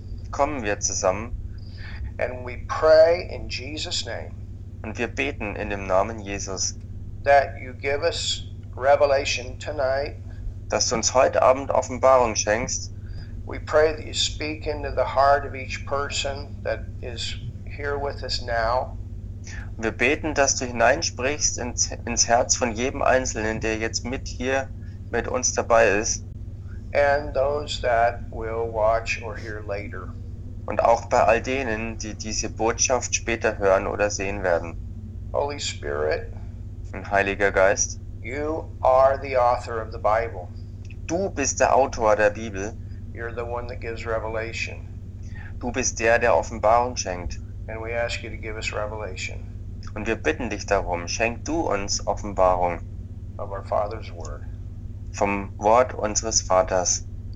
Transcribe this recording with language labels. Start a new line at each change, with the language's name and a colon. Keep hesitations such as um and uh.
German: kommen wir zusammen
English: and we pray in Jesus name,
German: Und wir beten in dem Namen Jesus,
English: that you give us revelation tonight.
German: dass du uns heute Abend Offenbarung schenkst.
English: We pray that you speak into the heart of each person that is here with us now.
German: Und wir beten, dass du hineinsprichst ins, ins Herz von jedem Einzelnen, der jetzt mit hier mit uns dabei ist.
English: And those that will watch or hear later.
German: und auch bei all denen, die diese Botschaft später hören oder sehen werden.
English: Holy Spirit,
German: Ein Heiliger Geist,
English: you are the author of the Bible.
German: du bist der Autor der Bibel.
English: You're the one that gives revelation.
German: Du bist der, der Offenbarung schenkt.
English: And we ask you to give us revelation.
German: Und wir bitten dich darum, schenk du uns Offenbarung
English: of our Father's word.
German: vom Wort unseres Vaters.